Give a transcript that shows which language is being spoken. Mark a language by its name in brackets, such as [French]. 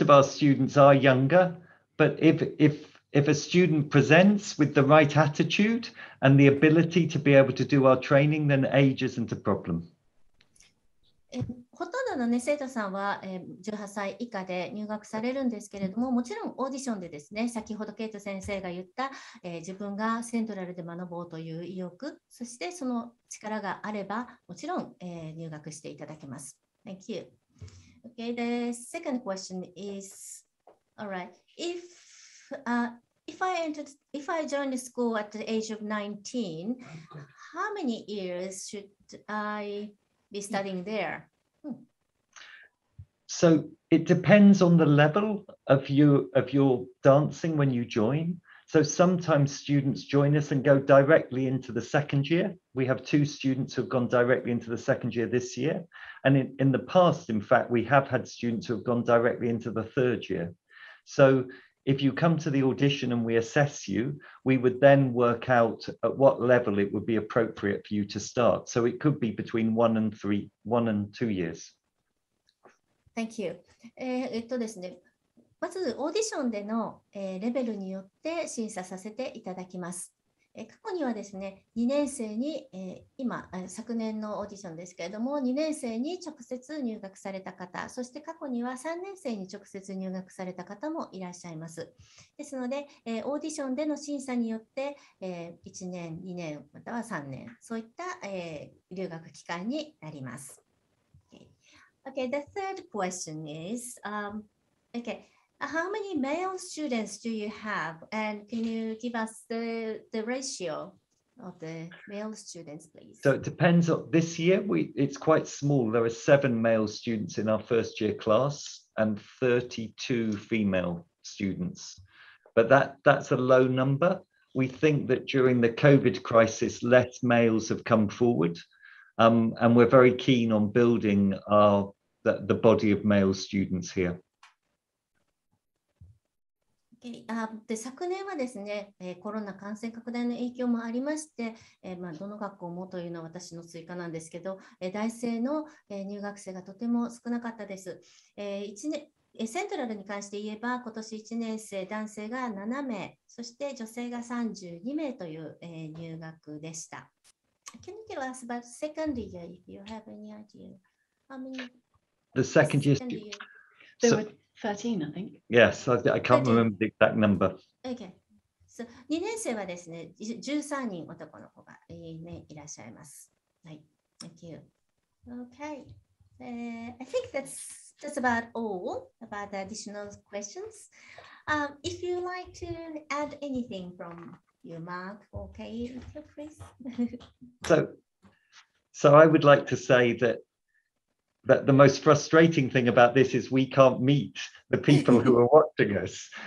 [English] of our students are younger, but if a student presents with the right attitude and the ability to be able to do our training, then age isn't a problem. [Japanese] ほとんどの、ね、生徒さんは、18歳以下で入学されるんですけれども、もちろんオーディションでですね、先ほどケイト先生が言った、自分がセントラルで学ぼうという意欲、そしてその力があれば、もちろん、入学していただけます。 [English] Thank you. Okay, the second question is, all right, if I joined the school at the age of 19, how many years should I be studying there? So it depends on the level of your dancing when you join. So sometimes students join us and go directly into the second year. We have two students who have gone directly into the second year this year. And in the past, in fact, we have had students who have gone directly into the third year. So if you come to the audition and we assess you, we would then work out at what level it would be appropriate for you to start. So it could be between one and two years. Thank you. [Japanese] ですね、まずオーディションでの、レベルによって審査させていただきます。過去にはですね、2年生に、今、昨年のオーディションですけれども、2年生に直接入学された方、そして過去には3年生に直接入学された方もいらっしゃいます。ですので、オーディションでの審査によって、1年、2年、または3年、そういった、留学期間になります。 [English] Okay, okay the third question is, How many male students do you have? And can you give us the ratio of the male students, please? So it depends on this year. It's quite small. There are 7 male students in our first year class and 32 female students. But that's a low number. We think that during the COVID crisis, less males have come forward. And we're very keen on building the body of male students here. [Japanese] で昨年はですね、コロナ感染拡大の影響もありまして、まあ、どの学校もというのは私の追加なんですけど、大生の入学生がとても少なかったです。セントラルに関して言えば、今年1年生男性が7名、そして女性が32名という入学でした。 [English] Can you tell us about second year if you have any idea? How many? The second year student. There were 13, I think. Yes, I can't remember the exact number. Okay. [Japanese] So, 2年生はですね、13人男の子がいらっしゃいます。はい。 [English] Thank you. Okay. I think that's about all about the additional questions. If you like to add anything from your Mark or Kate, please. So I would like to say that the most frustrating thing about this is we can't meet the people who are watching us.